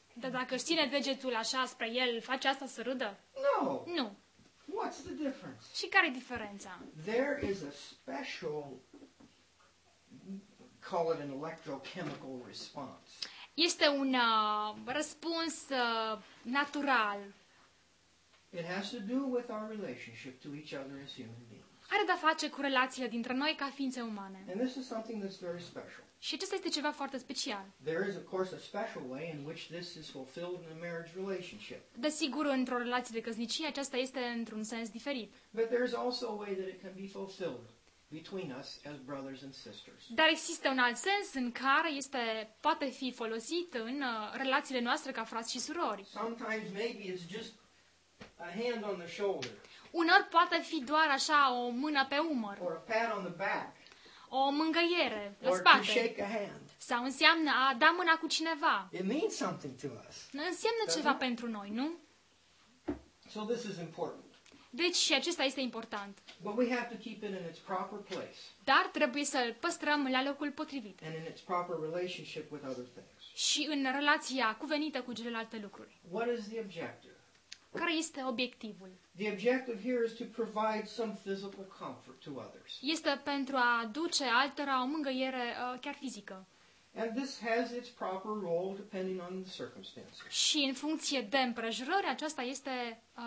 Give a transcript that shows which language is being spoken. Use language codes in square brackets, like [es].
[ro] Dar dacă își ține degetul așa spre el, face asta să râdă? [en] No. [ro] Nu. [en] What's the difference? [ro] Și care e diferența? [en] There is a special, call it an electrochemical response. [ro] Este un răspuns natural. [en] It has to do with our relationship to each other as human beings. [ro] Are de-a face cu relațiile dintre noi ca ființe umane. [en] And this is something that's very special. [ro] Și acesta este ceva foarte special. [en] There is, of course, a special way in which this is fulfilled in a marriage relationship. [ro] Desigur, într-o relație de căsnicie, aceasta este într-un sens diferit. [en] But there is also a way that it can be fulfilled between us as brothers and sisters. [ro] Dar există un alt sens în care este poate fi folosit în relațiile noastre ca frați și surori. [en] Sometimes maybe it's just a hand on the shoulder. [ro] Unor poate fi doar așa o mână pe umăr. [en] Or a pat on the back. [ro] O mângâiere la [en] or [ro] spate. [en] To shake a hand. [ro] Sau înseamnă a da mâna cu cineva. [en] It means something to us. [ro] Înseamnă ceva [en] it? [ro] Pentru noi, nu? [en] So this is important. [ro] Deci și acesta este important. [en] But we have to keep it in its proper place. [ro] Dar trebuie să-l păstrăm la locul potrivit. [en] And in its proper relationship with other things. [ro] Și în relația cuvenită cu celelalte lucruri. [en] What is the objective? [ro] Care este obiectivul? [en] The objective here is to provide some physical comfort to others. [ro] Este pentru a aduce altora o mângâiere chiar fizică. [en] And this has its proper role depending on the circumstances. [ro] Și în funcție de împrejurări, aceasta este